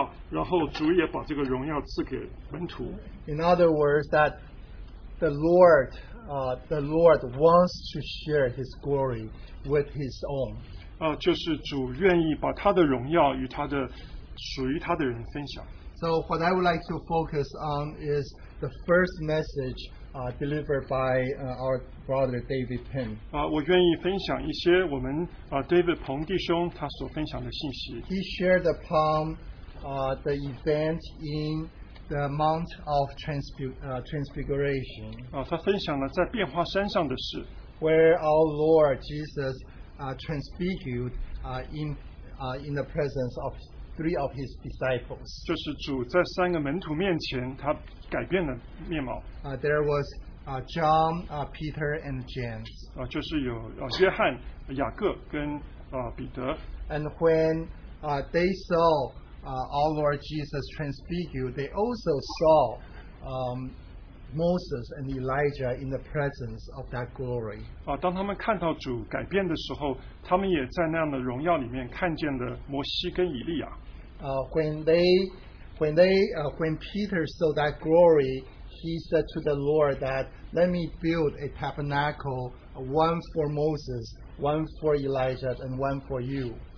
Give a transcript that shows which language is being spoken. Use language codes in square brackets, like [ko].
[zh] 就是父神赐给主荣耀，然后主也把这个荣耀赐给门徒。 [en] In other words, that the Lord wants to share his glory with his own. [zh] 就是主愿意把他的荣耀与他的属于他的人分享。 [en] So what I would like to focus on is the first message delivered by our brother David Penn. [zh] 我愿意分享一些我们 David Penn 弟兄他所分享的信息。 [en] He shared upon the event in the Mount of Transfiguration. [zh] 他分享了在变化山上的事。 [en] Where our Lord Jesus transfigured in the presence of three of his disciples. [zh] 就是主在三个门徒面前，他改变了面貌。 [en] There was John, Peter, and James. [zh] 就是有约翰、雅各跟彼得。 [en] And when they saw our Lord Jesus transfigured, they also saw Moses and Elijah in the presence of that glory. [zh] 当他们看到主改变的时候，他们也在那样的荣耀里面看见了摩西跟以利亚。 [en] When Peter saw that glory, he said to the Lord that, "Let me build a tabernacle, one for Moses, one for Elijah, and one for you."